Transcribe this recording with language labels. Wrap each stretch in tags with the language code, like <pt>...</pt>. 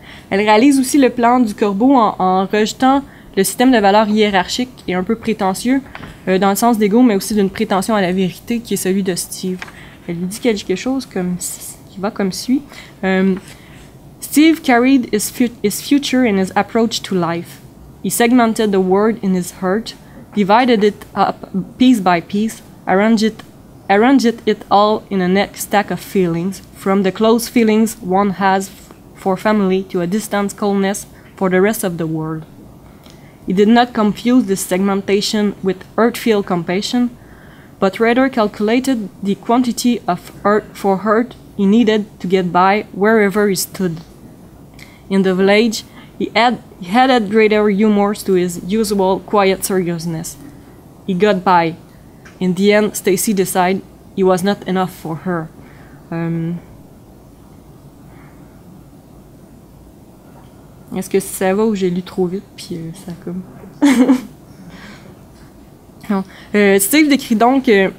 <fr>Elle réalise aussi le plan du corbeau en rejetant le système de valeurs hiérarchiques et un peu prétentieux, dans le sens d'ego, mais aussi d'une prétention à la vérité, qui est celui de Steve. Elle lui dit quelque chose qui va comme suit.</fr> <en>Steve carried his future in his approach to life. He segmented the world in his heart, divided it up piece by piece, arranged it all in a neat stack of feelings, from the close feelings one has for family to a distant coldness for the rest of the world. He did not confuse this segmentation with earth-filled compassion, but rather calculated the quantity of earth for hurt he needed to get by wherever he stood. In the village, he added greater humor to his usual quiet seriousness. He got by. In the end, Stacy decided he was not enough for her.</en> <fr>Est-ce que ça va ou j'ai lu trop vite, puis ça comme... Steve décrit donc...</fr>